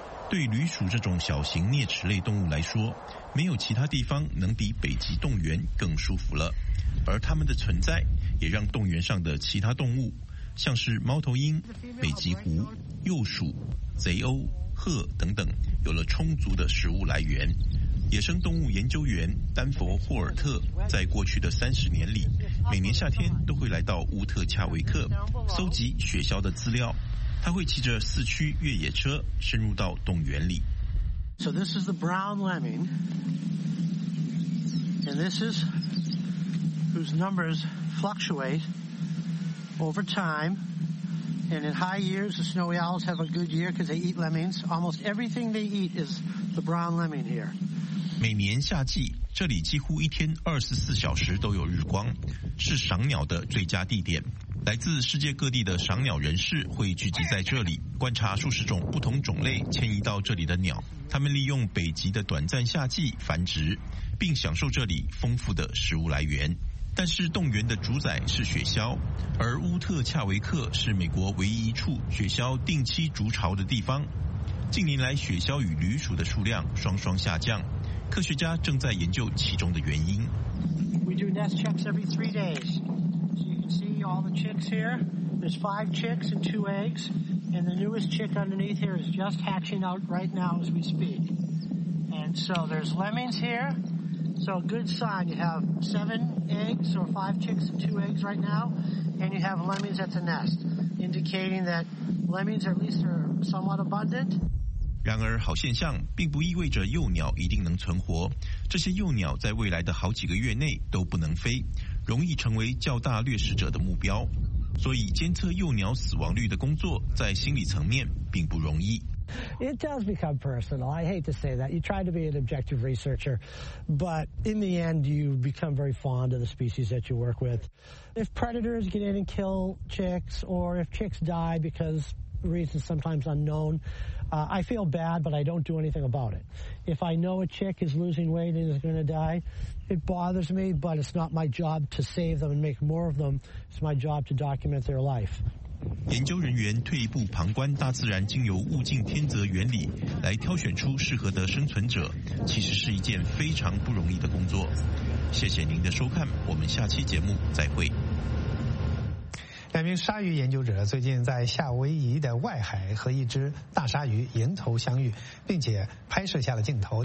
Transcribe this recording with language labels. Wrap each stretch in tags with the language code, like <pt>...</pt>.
<zh>对旅鼠这种小型啮齿类动物来说，没有其他地方能比北极动物园更舒服了，而它们的存在也让动物园上的其他动物，像是猫头鹰、北极狐、鼬鼠、贼鸥、鹤等等，有了充足的食物来源。野生动物研究员丹佛·霍尔特在过去的30年里，每年夏天都会来到乌特恰维克搜集雪鸮的资料。他会骑着四驱越野车深入到动物园里。</zh> <en>So this is the brown lemming, and this is whose numbers fluctuate over time. And in high years, the snowy owls have a good year because they eat lemmings. Almost everything they eat is the brown lemming here.</en> <zh>每年夏季，这里几乎一天24小时都有日光，是赏鸟的最佳地点。来自世界各地的赏鸟人士会聚集在这里，观察数十种不同种类迁移到这里的鸟。他们利用北极的短暂夏季繁殖，并享受这里丰富的食物来源。但是动物园的主宰是雪鸮，而乌特恰维克是美国唯一一处雪鸮定期筑巢的地方。近年来，雪鸮与旅鼠的数量双双下降，科学家正在研究其中的原因。</zh> <en>We do nest checks every 3 days. All the chicks here. There's 5 chicks and 2 eggs, and the newest chick underneath here is just hatching out right now as we speak. And so there's lemmings here. So a good sign. You have 7 eggs or 5 chicks and 2 eggs right now, and you have lemmings at the nest, indicating that lemmings at least are somewhat abundant.</en> <zh>然而好现象并不意味着幼鸟一定能存活，这些幼鸟在未来的好几个月内都不能飞，容易成为较大掠食者的目标，所以监测幼鸟死亡率的工作在心理层面并不容易。</zh> <en>It does become personal. I hate to say that. You try to be an objective researcher, but in the end, you become very fond of the species that you work with. If predators get in and kill chicks, or if chicks die because reasons sometimes unknown, I feel bad, but I don't do anything about it. If I know a chick is losing weight and is going to die, it bothers me, but it's not my job to save them and make more of them. It's my job to document their life.</en> <zh>研究人员退一步旁观大自然经由物竞天择原理来挑选出适合的生存者，其实是一件非常不容易的工作。谢谢您的收看，我们下期节目再会。两名鲨鱼研究者最近在夏威夷的外海和一只大鲨鱼迎头相遇，并且拍摄下了镜头。</zh>